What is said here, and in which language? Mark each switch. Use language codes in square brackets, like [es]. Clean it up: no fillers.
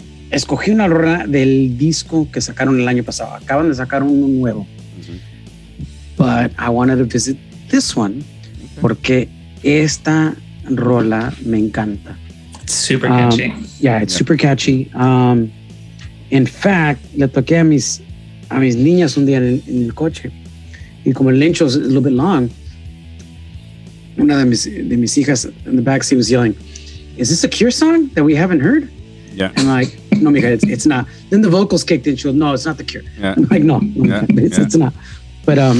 [es] Escogí una rola del disco que sacaron el año pasado. Acaban de sacar uno nuevo. Mm-hmm. [en] But I wanted to visit this one okay. [es] porque... Esta rola me encanta. [en] Super catchy. Yeah, it's super catchy. In fact, [es] le toqué a mis niñas un día en el coche. Y como el lencho [en] is a little bit long, [es] una de mis hijas [en] in the back seat was yelling, "Is this a Cure song that we haven't heard?" Yeah. And I'm like, "No, mija, it's not." Then the vocals kicked in. She goes, "No, it's not the Cure." Yeah. I'm like, "No, yeah. It's not." But